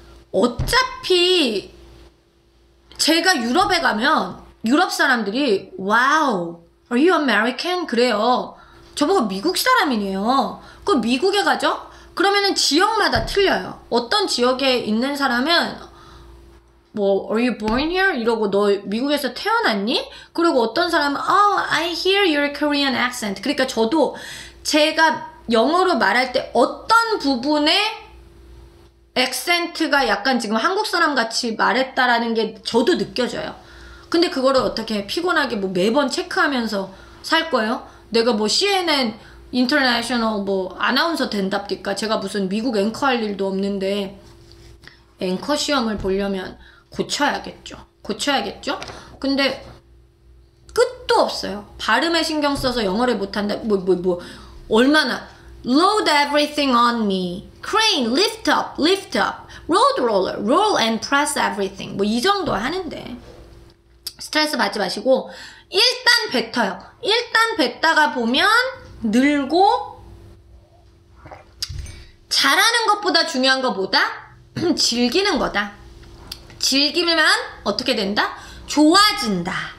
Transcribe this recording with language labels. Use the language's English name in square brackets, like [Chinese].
[Korean] 어차피 제가 유럽에 가면 유럽 사람들이 와우, [English] are you American? [Korean] 그래요. 저보고 미국 사람이네요. 그럼 미국에 가죠? 그러면은 지역마다 틀려요. 어떤 지역에 있는 사람은 뭐 [English] are you born here? [Korean] 이러고 너 미국에서 태어났니? 그리고 어떤 사람은 [English] I hear your Korean accent. [Korean] 그러니까 저도 제가 영어로 말할 때 어떤 부분에 액센트가 약간 지금 한국 사람 같이 말했다라는 게 저도 느껴져요. 근데 그거를 어떻게 피곤하게 뭐 매번 체크하면서 살 거예요? 내가 뭐 CNN 인터내셔널 뭐 아나운서 된답니까? 제가 무슨 미국 앵커 할 일도 없는데 앵커 시험을 보려면 고쳐야겠죠. 고쳐야겠죠? 근데 끝도 없어요. 발음에 신경 써서 영어를 못한다. 얼마나 [English] load everything on me. Crane, lift up, lift up. Road roller, roll and press everything. [Korean] 뭐 이 정도 하는데 스트레스 받지 마시고 일단 뱉어요. 일단 뱉다가 보면 늘고 잘하는 것보다 중요한 거 뭐다? 즐기는 거다. 즐기면 어떻게 된다? 좋아진다.